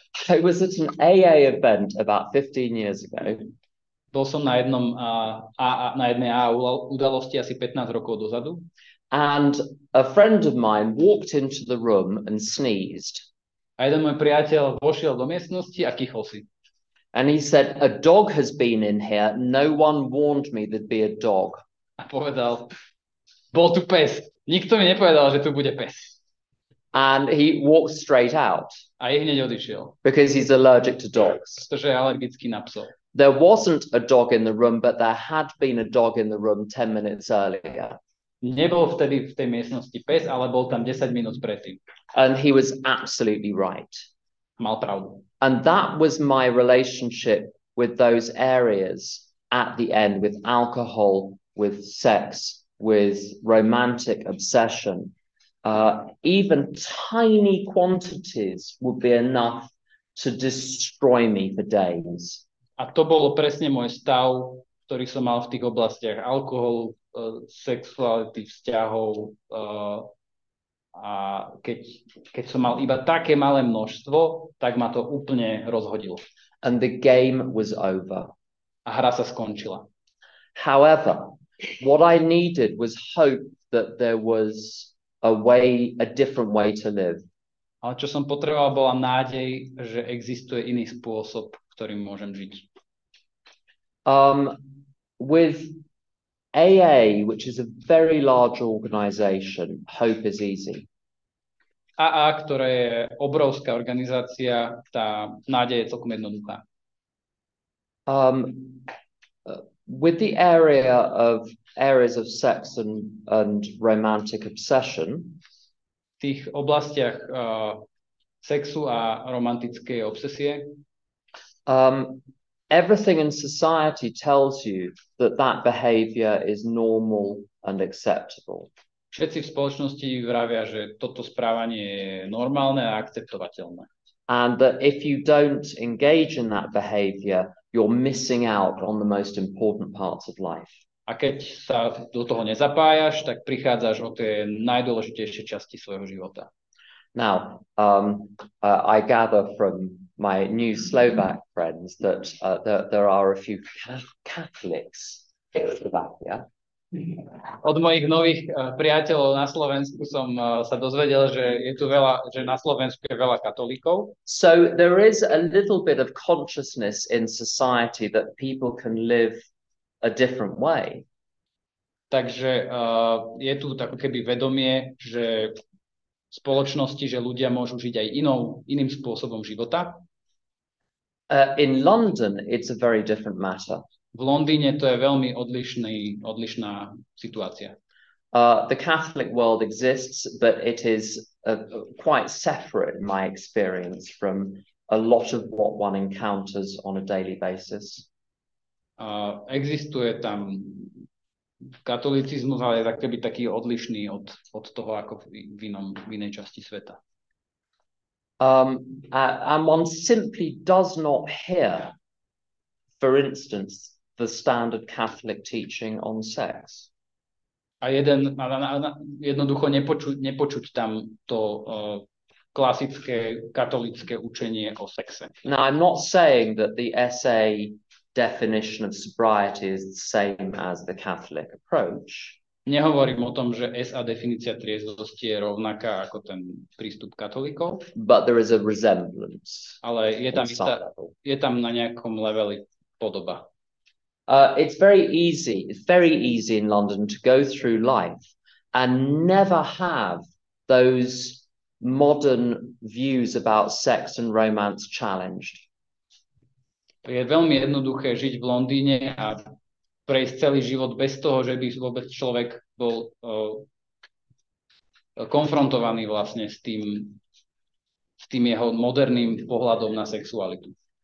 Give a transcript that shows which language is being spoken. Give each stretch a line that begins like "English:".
English: I was at an AA event about 15 years ago.
Slovak: Bol som na jednom na jednej AA udalosti asi 15 rokov dozadu.
English: And a friend of mine walked into the room and sneezed.
Slovak: A jeden môj priateľ vošiel do miestnosti a kýchol si.
English: And he said, a dog has been in here. No one warned me there'd be a dog.
Slovak: A povedal, bol tu pes. Nikto mi nepovedal, že tu bude pes.
English: And he walked straight out.
Slovak: A i hneď odišiel.
English: Because he's allergic to dogs.
Slovak: Pretože je alergický na psov.
English: There wasn't a dog in the room, but there had been a dog in the room 10 minutes earlier.
Slovak: Nebol vtedy v tej miestnosti pes, ale bol tam 10 minút predtým.
English: And he was absolutely right.
Slovak: Mal pravdu.
English: And that was my relationship with those areas at the end, with alcohol, with sex, with romantic obsession. Even tiny quantities would be enough to destroy me for days.
Slovak: A to bolo presne môj stav, ktorý som mal v tých oblastiach alkoholu, sexuality, vzťahov. A keď som mal iba také malé množstvo, tak ma to úplne rozhodilo.
English: And the game was over.
Slovak: A hra sa skončila.
English: However, what I needed was hope that there was a different way to live.
Slovak: Ale čo som potreboval, bola nádej, že existuje iný spôsob, ktorým môžem žiť.
English: With AA, which is a very large organization, hope is easy.
Slovak: AA, ktorá je obrovská organizácia, tá nádej je celkom jednoduchá.
English: With the areas of sex and romantic obsession,
Slovak: v tých oblastiach sexu a romantickej obsesie,
English: everything in society tells you that that behavior is normal and acceptable.
Slovak: Všetci v spoločnosti vravia, že toto správanie je normálne a akceptovateľné.
English: And that if you don't engage in that behavior, you're missing out on the most important parts of life.
Slovak: A keď sa do toho nezapájaš, tak prichádzaš o tie najdôležitejšie časti svojho života.
English: Now, I gather from my new Slovak friends that there are a few Catholics in Slovakia.
Slovak: Od mojich nových priateľov na Slovensku som sa dozvedel, že je tu veľa, že na Slovensku je veľa katolíkov.
English: So there is a little bit of consciousness in society that people can live a different way.
Slovak: Takže je tu tak keby vedomie, že v spoločnosti, že ľudia môžu žiť aj iným spôsobom života.
English: In London it's a very different matter.
Slovak: V Londýne to je veľmi odlišná situácia.
English: The Catholic world exists, but it is quite separate in my experience from a lot of what one encounters on a daily basis.
Slovak: Existuje tam katolicizmus, ale tak keby taký odlišný od toho, ako v inej časti sveta.
English: And one simply does not hear, for instance, the standard Catholic teaching on sex.
Slovak: A jeden jednoducho nepočuť tam to klasické katolické učenie o sexe.
English: Now, I'm not saying that the SA definition of sobriety is the same as the Catholic approach.
Slovak: Nehovorím o tom, že SA definícia triezvosti je rovnaká ako ten prístup katolíkov.
English: But there is a resemblance.
Slovak: Ale je tam na nejakom leveli podoba.
English: It's very easy in London to go through life and never have those modern views about sex and romance challenged.
Slovak: Je veľmi jednoduché žiť v Londýne a prejsť celý život bez toho, že by vôbec človek bol konfrontovaný vlastne s tým jeho moderným pohľadom na sexualitu.